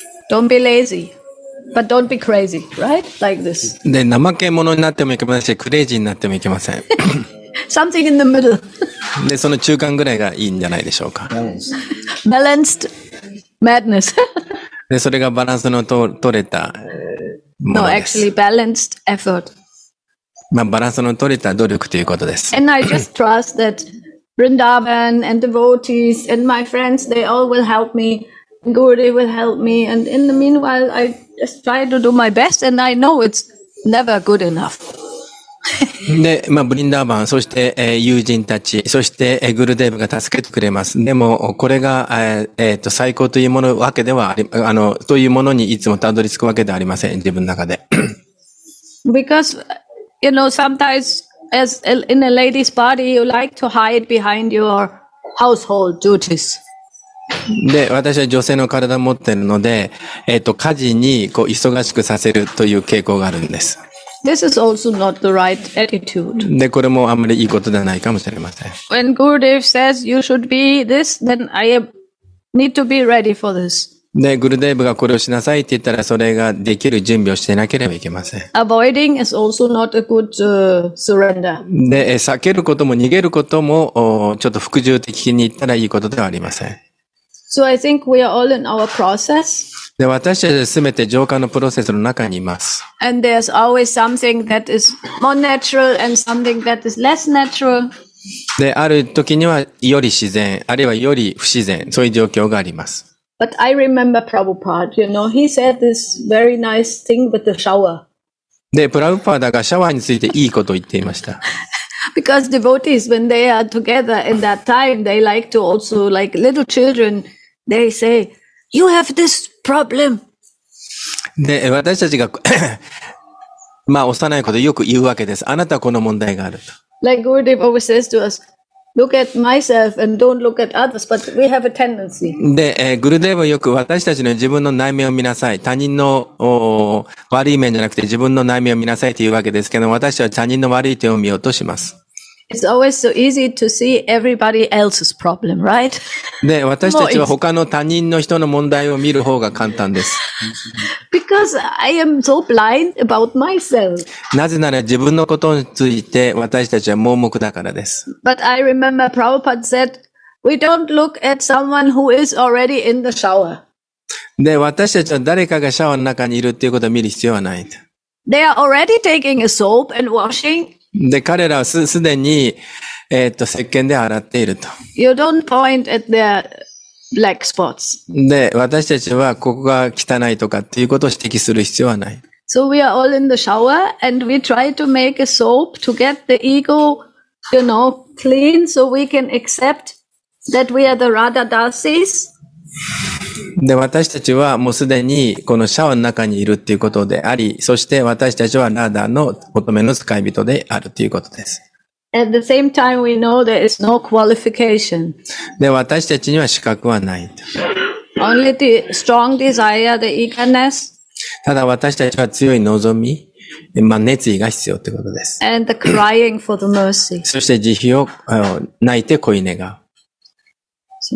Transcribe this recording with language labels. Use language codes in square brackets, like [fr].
[en] Don't be lazy, but don't be crazy, right? Like this. [ja] で、怠け者になってもいけませんし、クレイジーになってもいけません。 [en] Something in the middle. [ja] で、その中間ぐらいがいいんじゃないでしょうか。 [en] Balanced madness. [ja] で、それがバランスの取れたものです。 [en] No, actually, balanced effort. [ja] まあ、バランスの取れた努力ということです。 [en] And I just trust that Vrindavan and devotees and my friends, they all will help me. Gurudev will help me. And in the meanwhile, I just try to do my best and I know it's never good enough. [ja] で、まあ、Vrindavan、そして、友人たち、そして、Gurudev が助けてくれます。でも、これが、最高というものわけではあり、というものにいつもたどり着くわけではありません。自分の中で。 [en] Because,You know, sometimes as in a lady's body, you like to hide behind your household duties. [ja] で、私は女性の体を持っているので、家事にこう忙しくさせるという傾向があるんです。 [en] This is also not the right attitude. [ja] で、これもあんまりいいことではないかもしれません。 [en] When Gurudev says you should be this, then I need to be ready for this. [ja] で、グルデーブがこれをしなさいって言ったら、それができる準備をしてなければいけません。 [en] Avoiding is also not a good, surrender. [ja] で、避けることも逃げることも、ちょっと服従的に言ったらいいことではありません。 [en] So I think we are all in our process. [ja] で、私たちは全て浄化のプロセスの中にいます。 [en] And there's always something that is more natural and something that is less natural. [ja] で、ある時にはより自然、あるいはより不自然、そういう状況があります。 [en] But I remember Prabhupada, you know, he said this very nice thing with the shower. [ja] で、プラウパーダがシャワーについていいことを言っていました。 [en] Because devotees, when they are together in that time, they like to also, like little children, they say, you have this problem. [ja] で、私たちが、まあ、幼い子でよく言うわけです。あなたはこの問題があると。 [en] Like Gurudev always says to us, look at myself and don't look at others, but we have a tendency. [ja] で、Gurudev はよく私たちの自分の内面を見なさい。他人の悪い面じゃなくて自分の内面を見なさいというわけですけど、私は他人の悪い点を見ようとします。 [en] It's always so easy to see everybody else's problem, right? [ja] で、私たちは他の他人の人の問題を見る方が簡単です。 [en] Because I am so blind about myself. [ja] なぜなら自分のことについて私たちは盲目だからです。 [en] But I remember Prabhupada said, we don't look at someone who is already in the shower. [ja] で、私たちは誰かがシャワーの中にいるっていうことを見る必要はない。 [en] They are already taking a soap and washing. [ja] で、彼らはすでに、石鹸で洗っていると。 [en] You don't point at their black spots. [ja] で、私たちはここが汚いとかっていうことを指摘する必要はない。 [en] So we are all in the shower and we try to make a soap to get the ego, you know, clean so we can accept that we are the Radha Dasis. [ja] で、私たちはもうすでにこのシャワーの中にいるっていうことであり、そして私たちはラーダの乙女の使い人であるということです。 [en] At the same time, we know there is no qualification. [ja] で、私たちには資格はない。 [en] Only the strong desire, the eagerness. [ja] ただ私たちは強い望み、まあ、熱意が必要ということです。 [en] And the crying for the mercy. [ja] そして慈悲を泣いて恋願う。